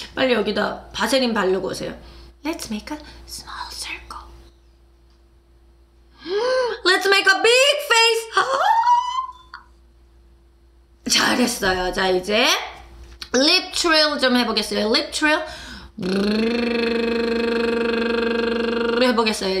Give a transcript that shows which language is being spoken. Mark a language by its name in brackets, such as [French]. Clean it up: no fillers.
[Korean] 빨리 여기다 바세린 바르고 오세요. [English] Let's make a small circle. Let's make a big face. [Korean] 잘했어요. 자, 이제 lip trill 좀 해보겠어요. Lip trill 해보겠어요.